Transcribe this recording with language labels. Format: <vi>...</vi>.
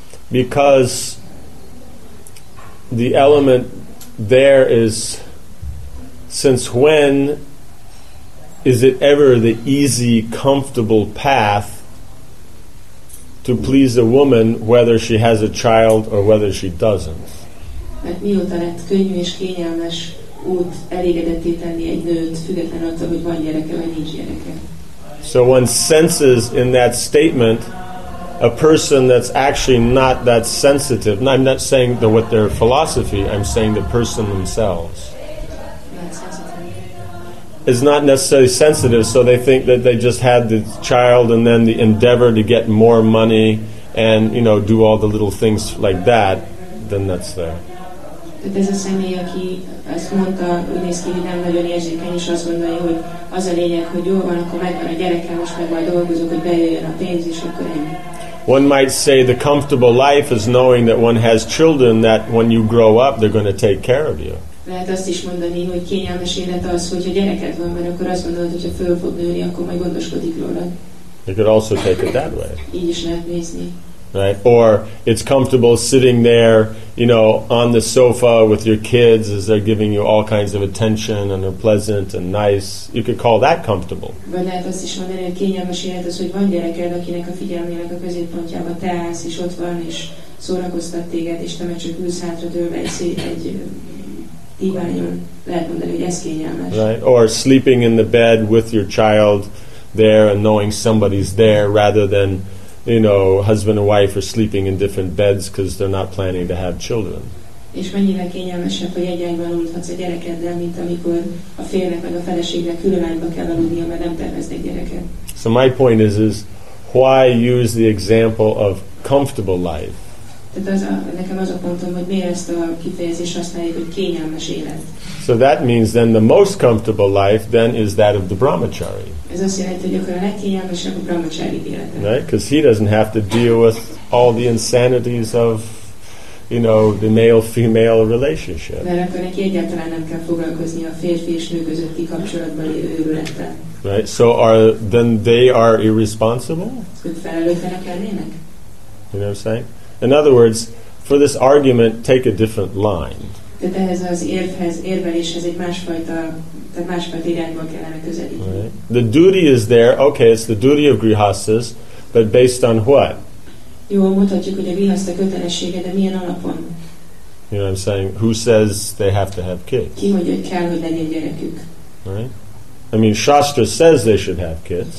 <en>Because the element there is, since when is it ever the easy, comfortable path to please a woman, whether she has a child or whether she doesn't?</en> <hu>Mert mióta lett könnyű és kényelmes út elégedetté tenni egy nőt, függetlenül attól, hogy van gyereke vagy nincs gyereke.</hu> <en>So one senses in that statement a person that's actually not that sensitive. And I'm not saying what their philosophy, I'm saying the person themselves is not necessarily sensitive, so they think that they just had the child and then the endeavor to get more money and, you know, do all the little things like that, then that's there.</en> <hu>Tehát ez a személy, aki ezt mondta, úgy néz ki, hogy nem nagyon érzékeny, és azt gondolja, hogy az a lényeg, hogy jól van, akkor megvan a gyerekem, most meg majd dolgozok, hogy bejöjjön a pénz, és akkor ennyi.</hu> <en>One might say the comfortable life is knowing that one has children, that when you grow up, they're going to take care of you.</en> <hu>Lehet azt is mondani, hogy kényelmes élet az, hogyha gyereked van, mert akkor azt gondolod, hogyha föl fog nőni, akkor majd gondoskodik rólad.</hu> <en>You could also take it that way.</en> <hu>Így is lehet nézni.</hu> <en>Right? Or it's comfortable sitting there, you know, on the sofa with your kids as they're giving you all kinds of attention and they're pleasant and nice. You could call that comfortable.</en> <hu>Vagy lehet azt is mondani, hogy kényelmes élet az, hogy van gyereked, akinek a figyelmének a középpontjában te állsz, és ott van, és szórakoztat téged, és te meg csak ülsz hátra törve egy díványon, lehet mondani, hogy ez kényelmes.</hu> <en>Right. Or sleeping in the bed with your child there and knowing somebody's there rather than, you know, husband and wife are sleeping in different beds because they're not planning to have children.</en> <hu>És mennyire kényelmesebb, hogy egy ágyban aludhatsz a gyerekeddel, mint amikor a férjnek meg a feleségnek külön ágyba kell aludnia, mert nem terveznek gyereket.</hu> <en>So my point is why use the example of comfortable life?</en> <hu>Tehát az a, nekem az a pontom, hogy miért ezt a kifejezést használjuk, hogy kényelmes élet.</hu> <en>So that means then the most comfortable life then is that of the brahmachari.</en> <hu>Ez azt jelenti, hogy akkor a legkényelmesebb a brahmachari élete.</hu> <en>Right? Because he doesn't have to deal with all the insanities of, you know, the male-female relationship.</en> <hu>Mert akkor neki egyáltalán nem kell foglalkozni a férfi és nő közötti kapcsolatban lévő őrülettel.</hu> <en>Right? So are then they are irresponsible?</en> <hu>Felelőtlenek lennének?</hu> <en>You know what I'm saying? In other words, for this argument, take a different line.</en> <hu>Tehát ehhez az érvhez, érveléshez egy másfajta, tehát másfajta irányba kellene közelíteni.</hu> <en>Right. The duty is there, okay, it's the duty of grihasthas, but based on what?</en> <hu>Jó, mutatjuk, hogy a grihasta kötelessége, de milyen alapon?</hu> <en>You know what I'm saying? Who says they have to have kids?</en> <hu>Ki mondja, hogy kell, hogy legyen gyerekük?</hu> <en>Right? I mean, Shastra says they should have kids.</en>